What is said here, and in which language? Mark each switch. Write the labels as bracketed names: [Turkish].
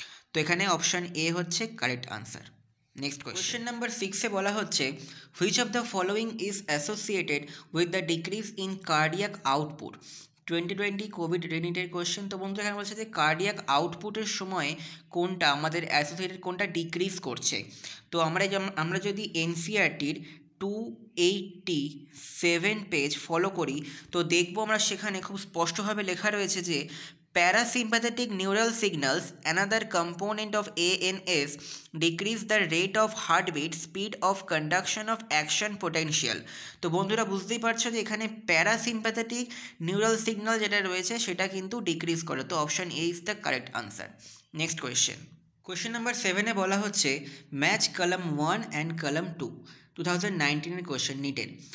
[Bangla] তো এখানে [English] Option A হচ্ছে correct answer. Next question number 6-এ [Bangla] বলা হচ্ছে, [English] Which of the following is associated with the decrease in cardiac output, 2020 covid related question. [Bangla] তো বন্ধুরা, এখানে বলছে যে কার্ডিয়াক আউটপুটের সময় কোনটা আমাদের অ্যাসোসিয়েটেড কোনটা ডিক্রিজ করছে। তো আমরা যদি NCERT 287 পেজ ফলো করি তো দেখবো আমরা সেখানে খুব স্পষ্টভাবে লেখা রয়েছে যে [English] Parasympathetic neural signals, another component of ANS, decrease the rate of heartbeat, speed of conduction of action potential. [Bangla] তো বন্ধুরা বুঝতেই পারছো যে এখানে প্যারাসিম্পাথেটিক নিউরাল সিগন্যাল যেটা রয়েছে সেটা কিন্তু ডিক্রিজ করে। [English] তো option A is the correct answer. Next question, question number সেভেনে [Bangla] বলা হচ্ছে [English] Match column one and column two 2019 question নিটেন।